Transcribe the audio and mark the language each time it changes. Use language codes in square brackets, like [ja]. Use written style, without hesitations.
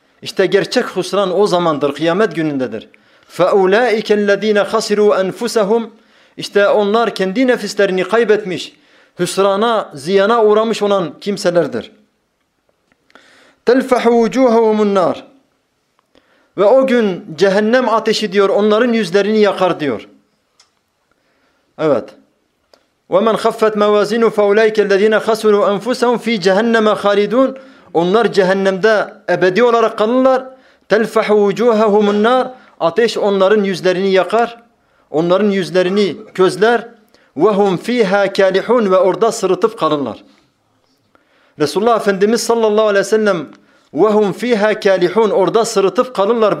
[tr] İşte gerçek husran o zamandır, kıyamet günündedir. [ar] فَاُولَٰئِكَ الَّذ۪ينَ خَسِرُوا أَنْفُسَهُمْ [tr] İşte onlar kendi nefislerini kaybetmiş, hüsrana, ziyana uğramış olan kimselerdir. [ar] تَلْفَحُ وُجُوهَهُمُ النَّارِ [tr] Ve o gün cehennem ateşi diyor, onların yüzlerini yakar diyor. Evet. [ar] وَمَنْ خَفَّتْ مَوَازِينُ فَاُولَٰئِكَ الَّذ۪ينَ خَسِرُوا أَنْفُسَهُمْ ف۪ي جَهَنَّمَ خَالِدُونَ [tr] Onlar cehennemde ebedi olarak kalırlar. [ar] تَلْفَحُ وُجُوهَهُمُ النَّارِ [tr] Ateş onların yüzlerini yakar. Onların yüzlerini közler. [ar] وَهُمْ ف۪يهَا كَالِحُونَ [tr] Ve orada sırıtıp kalırlar. Resulullah Efendimiz sallallahu aleyhi ve sellem [ar] وَهُمْ ف۪يهَا كَالِحُونَ [tr] Orada sırıtıp kalırlar.